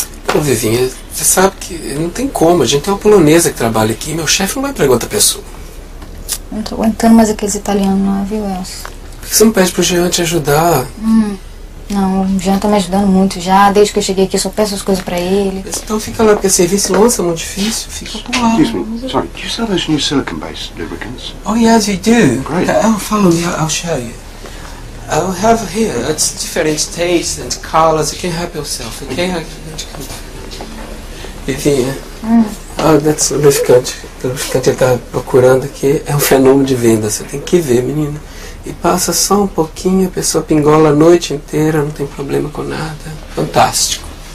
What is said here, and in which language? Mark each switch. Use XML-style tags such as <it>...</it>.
<pt>Pô, Vivinha, você sabe que não tem como, a gente tem uma polonesa que trabalha aqui, meu chefe não vai pra outra pessoa. Não tô aguentando mais aqueles italianos, não é, viu, Elcio? Por que você não pede pro Jean te ajudar? Não, o Jean tá me ajudando muito já, desde que eu cheguei aqui eu só peço as coisas pra ele. Então fica lá, porque serviço lança é muito difícil, fica por lá.</pt> <en>Excuse me, sorry, do you sell those new silicon-based lubricants? Oh yes, we do. Great. Oh, follow me, I'll show you. I'll have it here, it's different taste and colors, you can help yourself, okay?</en> <pt>Vivinha,</pt> <en>that's</en> <pt>o lubricante. O lubricante ele tá procurando aqui, é um fenômeno de venda, você tem que ver, menina. E passa só um pouquinho, a pessoa pingola a noite inteira, não tem problema com nada. Fantástico.</pt>